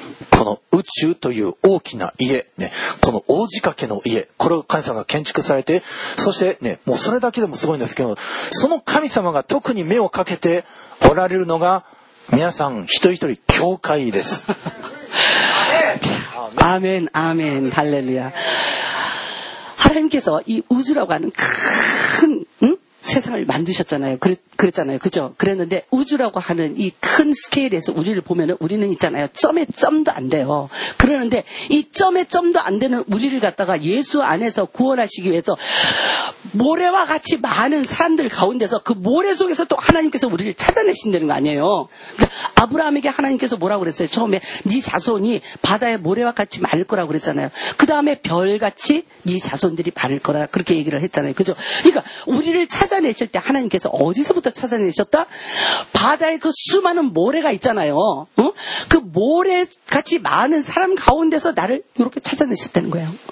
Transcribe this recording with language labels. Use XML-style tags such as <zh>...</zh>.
<ja>この宇宙という大きな家、ね、この王子掛けの家、これを神様が建築されて、そして、ね、もうそれだけでもすごいんですけど、その神様が特に目をかけておられるのが、皆さん一人一人、教会です。アーメン、アーメン、ハレルヤ。</ja> <ko>하나님께서이우주라고하는큰、응? 세상을만드셨잖아요 그랬잖아요그죠그랬는데우주라고하는이큰스케일에서우리를보면은우리는있잖아요점에점도안돼요그러는데이점에점도안되는우리를갖다가예수안에서구원하시기위해서 모래와같이많은사람들가운데서그모래속에서또하나님께서우리를찾아내신다는거아니에요아브라함에게하나님께서뭐라고그랬어요처음에네자손이바다의모래와같이많을거라고그랬잖아요그다음에별같이네자손들이많을거라그렇게얘기를했잖아요그죠그러니까우리를찾아내실때하나님께서어디서부터찾아내셨다바다에그수많은모래가있잖아요그모래같이많은사람가운데서나를이렇게찾아내셨다는거예요</ko>